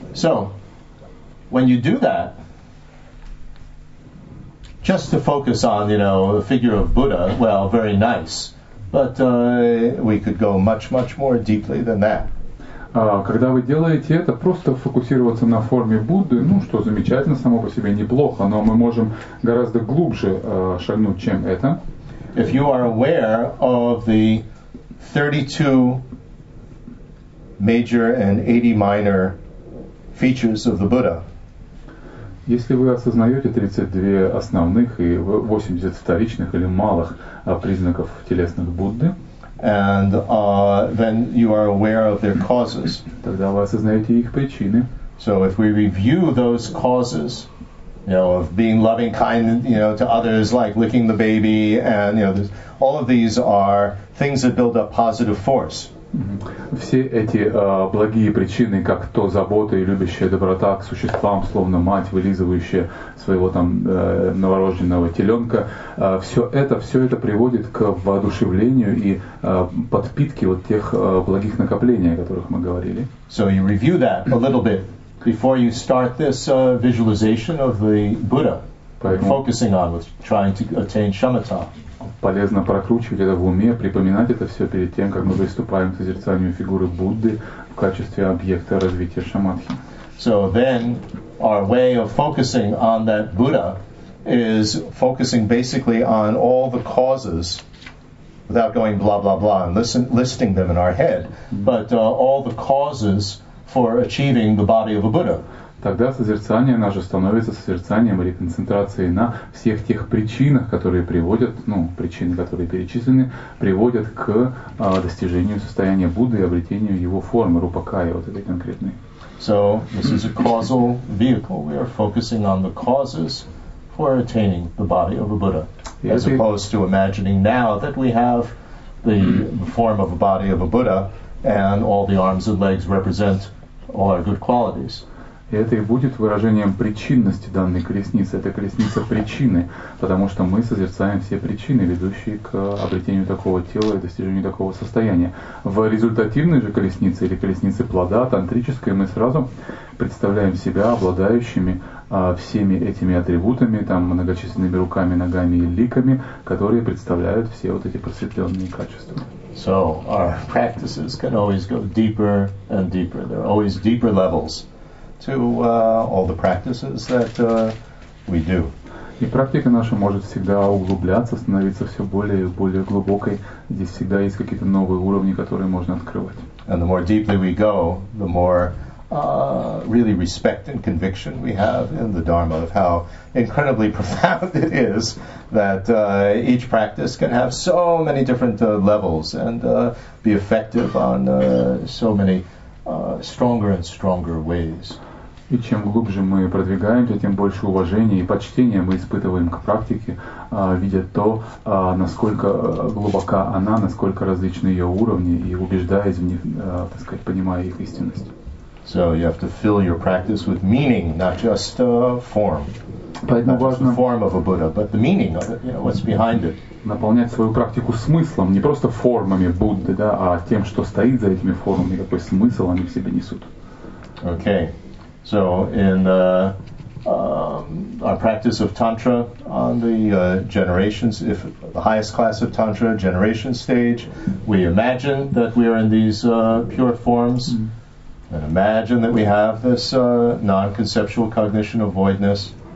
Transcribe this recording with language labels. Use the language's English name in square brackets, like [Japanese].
[English] So, when you do that, just to focus on, you know, the figure of Buddha, well, very nice, but we could go much, much more deeply than that. [Russian] Когда вы делаете это, просто фокусироваться на форме Будды, ну, что замечательно, само по себе неплохо, но мы можем гораздо глубже шагнуть, чем это. [English] If you are aware of the 32 major and 80 minor features of the Buddha, [Russian] если вы осознаете 32 основных и 80 вторичных или малых признаков телесных Будды, [English] and then you are aware of their causes. [Russian] Тогда вы осознаете их причины. [English] So if we review those causes, you know, of being loving kind, you know, to others, like licking the baby, and you know, all of these are things that build up positive force. [Russian] Все эти благие причины, как то забота и любящая доброта к существам, словно мать, вылизывающая своего там новорожденного теленка, все это приводит к воодушевлению и подпитке вот тех благих накоплений, о которых мы говорили. [English] So you review that a little bit before you start this visualization of the Buddha, focusing on with trying to attain shamatha. [Russian] Полезно прокручивать это в уме, припоминать это все перед тем, как мы приступаем к созерцанию фигуры Будды в качестве объекта развития шамадхи. [English] So then our way of focusing on that Buddha is focusing basically on all the causes without going blah-blah-blah and listing them in our head, but all the causes for achieving the body of a Buddha. [Russian] Тогда созерцание наше становится созерцанием или концентрацией на всех тех причинах, которые приводят, ну, причины, которые перечислены, приводят к достижению состояния Будды и обретению его формы, рупакая, вот этой конкретной. [English] So, this is a causal vehicle. We are focusing on the causes for attaining the body of a Buddha, as opposed to imagining now that we have the form of a body of a Buddha and all the arms and legs represent all our good qualities. [Russian] И это и будет выражением причинности данной колесницы. Это колесница причины, потому что мы созерцаем все причины, ведущие к обретению такого тела и достижению такого состояния. В результативной же колеснице или колеснице плода, тантрической, мы сразу представляем себя обладающими всеми этими атрибутами, там, многочисленными руками, ногами и ликами, которые представляют все вот эти просветленные качества. [English] So our practices can always go deeper and deeper. There are always deeper levels to all the practices that we do. [Russian] И практика наша может всегда углубляться, становиться все более и более глубокой. Здесь всегда есть какие-то новые уровни, которые можно открывать. [English] And the more deeply we go, the more really respect and conviction we have in the Dharma of how incredibly profound it is that each practice can have so many different levels and be effective on so many stronger and stronger ways. [Russian] И чем глубже мы продвигаемся, тем больше уважения и почтения мы испытываем к практике, видя то, насколько глубока она, насколько различны ее уровни, и убеждаясь в них, так сказать, понимая их истинность. [English] So you have to fill your practice with meaning, not just form. [Russian] Поэтому [English] not [Russian] важно [English] just the form of a Buddha, but the meaning of it, you know, what's behind it. [Russian] Наполнять свою практику смыслом, не просто формами Будды, да, а тем, что стоит за этими формами, какой смысл они в себе несут. [English] Okay. So in our practice of Tantra on the generations, if the highest class of Tantra, generation stage, we imagine that we are in these pure forms, and imagine that we have this non-conceptual cognition of voidness.